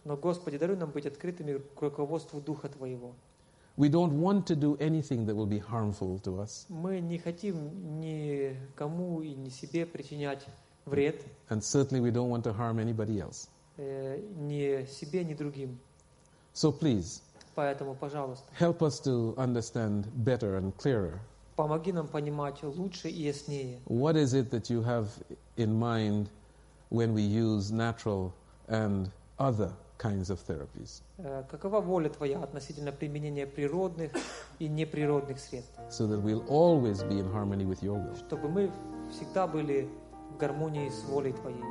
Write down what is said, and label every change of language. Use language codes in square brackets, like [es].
[ru] Но Господи, даруй нам быть открытыми к руководству Духа Твоего. [en] We don't want to do anything that will be harmful to us. [ru] Мы не хотим никому и ни себе причинять вред. [en] And certainly we don't want to harm anybody else. [ru] Ни себе, ни другим. [en] So please. [ru] Поэтому, пожалуйста. [en] Help us to understand better and clearer. [ru] Помоги нам понимать лучше и яснее. [en] What is it that you have in mind when we use natural and other kinds of therapies? [ru] Какова воля твоя относительно применения природных и неприродных средств? [en] So that we'll always be in harmony with your will. [ru] Чтобы мы всегда были в гармонии с волей твоей.